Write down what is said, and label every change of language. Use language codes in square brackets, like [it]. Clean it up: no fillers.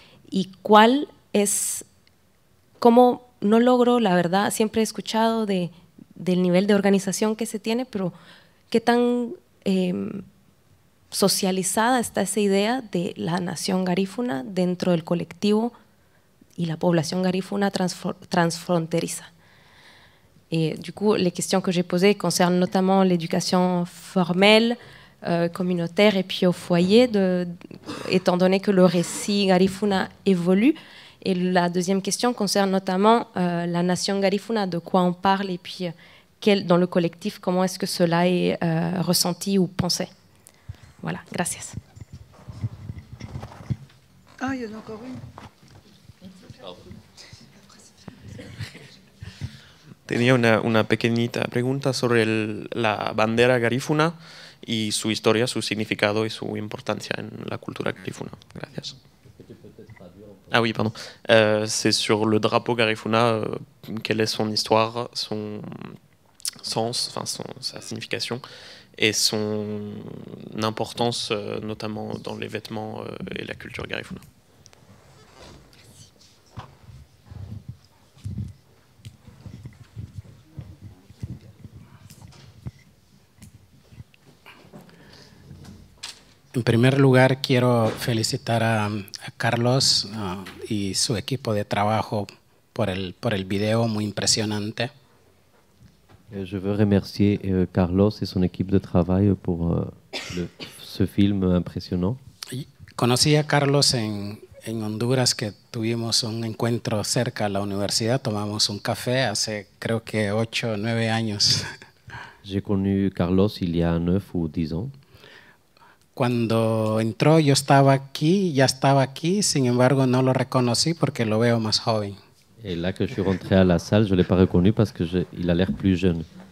[es] ¿Y cuál es, cómo no logro, la verdad, siempre he escuchado del nivel de organización que se tiene, pero qué tan socializada está esa idea de la nación garífuna dentro del colectivo y la población garífuna transfronteriza? [fr] Du coup, les questions que j'ai posées concernent notamment l'éducation formelle, communautaire et puis au foyer, étant donné que le récit garifuna évolue. Et la deuxième question concerne notamment la nation garifuna, de quoi on parle et puis dans le collectif, comment est-ce que cela est ressenti ou pensé. Voilà, [es] gracias. [fr] Ah, il y en a encore une. [es] Tenía una pequeñita pregunta sobre la bandera garífuna y su historia, su significado y su importancia en la cultura garífuna. Gracias. [fr] Ah oui, pardon. C'est sur le drapeau garífuna, quelle est son histoire, son sens, enfin sa signification et son importance, notamment dans les vêtements et la culture garífuna. [es] En primer lugar, quiero felicitar a Carlos y su equipo de trabajo por el video, muy impresionante. [fr] Je veux remercier Carlos et son équipe de travail pour ce film impressionnant. [es] Conocí a Carlos en Honduras, que tuvimos un encuentro cerca a la universidad, tomamos un café hace creo que 8 o 9 años. [fr] J'ai connu Carlos il y a 9 ou 10 ans. [es] Cuando entró, yo estaba aquí, ya estaba aquí, sin embargo, no lo reconocí porque lo veo más joven. [fr] Et là que je suis rentré à la salle, je ne l'ai pas reconnu parce qu'il a l'air plus jeune.